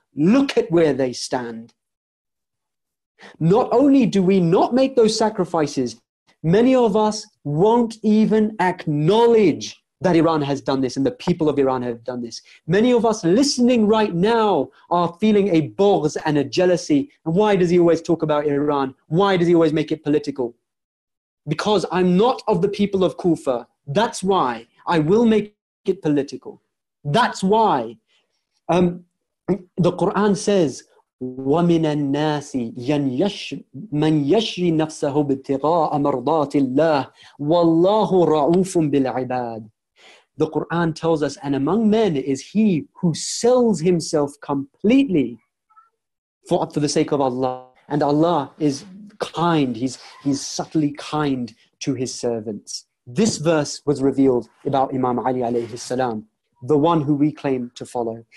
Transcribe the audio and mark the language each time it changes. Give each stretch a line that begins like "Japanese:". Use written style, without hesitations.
English: Look at where they stand. Not only do we not make those sacrifices, many of us won't even acknowledge that Iran has done this and the people of Iran have done this. Many of us listening right now are feeling a boghz and a jealousy. And why does he always talk about Iran? Why does he always make it political? Because I'm not of the people of Kufa. That's why I will make it political. That's why the Quran says,
Arabic: وَمِنَ النَّاسِ مَنْ يَشْرِ نَفْسَهُ بِالْتِغَاءَ مَرْضَاتِ اللَّهِ وَاللَّهُ رَعُوفٌ بِالْعِبَادِ.
English: The Quran tells us, and among men is he who sells himself completely for the sake of Allah. And Allah is kind. He's subtly kind to his servants. This verse was revealed about Imam Ali alayhi salam, the one who we claim to follow.